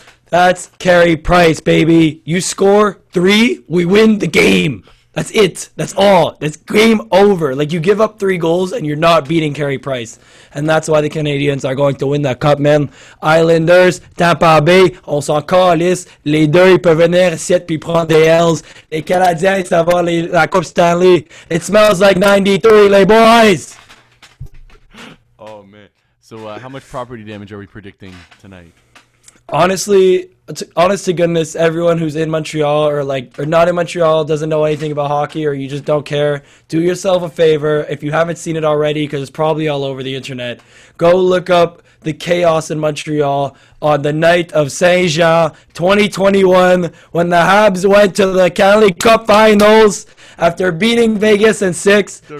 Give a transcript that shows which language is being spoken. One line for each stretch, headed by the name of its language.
English: That's Carey Price, baby. You score three, we win the game. That's it. That's all. That's game over. Like, you give up three goals, and you're not beating Carey Price. And that's why the Canadians are going to win that cup, man.
French: Islanders, Tampa Bay, on s'en calisse. Les deux, ils peuvent venir ici et puis prendre des L's. Les Canadiens, ça va la Coupe Stanley.
English: It smells like 93,
French: les boys!
English: Oh, man. So, how much property damage are we predicting tonight? Honestly... honest to goodness, everyone who's in Montreal or not in Montreal, doesn't know anything about hockey, or you just don't care, do yourself a favor. If you haven't seen it already, because it's probably all over the internet, go look up the chaos in Montreal on the night of Saint-Jean 2021 when the Habs went to the Cali Cup Finals after beating Vegas in six.